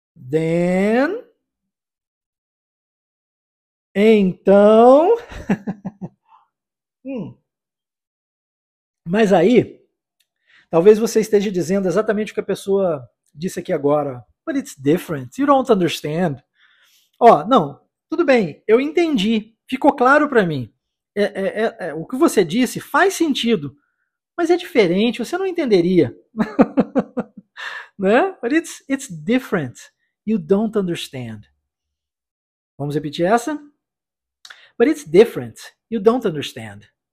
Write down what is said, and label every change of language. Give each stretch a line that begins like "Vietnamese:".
English: Then,
Portuguese: então, mas aí, talvez você esteja dizendo exatamente o que a pessoa disse aqui agora.
English: But it's different, you don't understand.
Portuguese: Não, tudo bem, eu entendi, ficou claro para mim. O que você disse faz sentido. Mas é diferente, você não entenderia. Né?
English: But it's different. You don't understand.
Portuguese: Vamos repetir essa?
English: But it's different. You don't understand.